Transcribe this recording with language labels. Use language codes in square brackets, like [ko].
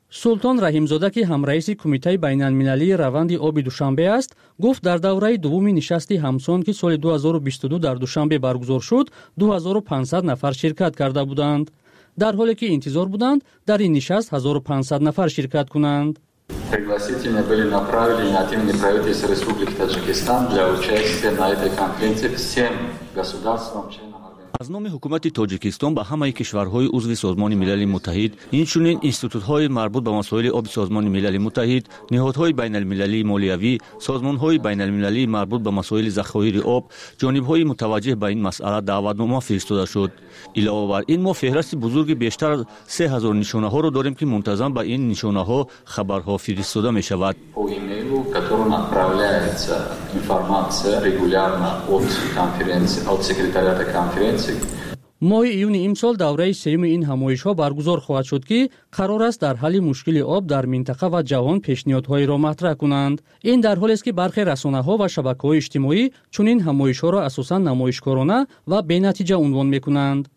[fa] سلطان رحیمزاده که همرئیسی کمیته بین‌المللی روند آب دوشنبه است گفت در دوره دومی نشست همسان که سال 2022 در دوشنبه برگزار شد 2500 نفر شرکت کرده بودند. در حالی که انتظار بودند در این نشست 1500 نفر شرکت کنند. [ru] Пригласительные были направлены от имени правительства Республики Таджикистан для участия на этой конференции всем государствам членам. [fa] از نام حکومت تاجیکستان به همه کشورهای عضو سازمان ملل متحد، اینچنین اینستیتوت‌های مربوط به مسائل آب سازمان ملل متحد، نهادهای بین‌المللی مالیوی، سازمان‌های بین‌المللی مربوط به مسائل ذخایر آب، جانب‌های متوجه به این مسئله دعوت‌نامه فرستاده شد. علاوه بر این ما فهرست بزرگ بیشتر از 3000 نشانه‌ها را داریم که منتظم به این نشانه‌ها خبرها فرستاده می‌شود. [ru] которым отправляется информация регулярно от конференции, от секретариата конференции. [tg] Моҳи июни имсол давраи сеюми ин ҳамоишҳо баргузор хоҳад шуд, ки қарор аст дар ҳалли мушкили об дар минтақа ва ҷаҳон пешниҳодҳоеро матраҳ кунанд. Ин дар ҳолест, ки бархе расонаҳо ва шабакаҳои иҷтимоӣ чунин ҳамоишҳоро асосан намоишкорона ва бенатиҷа унвон мекунанд.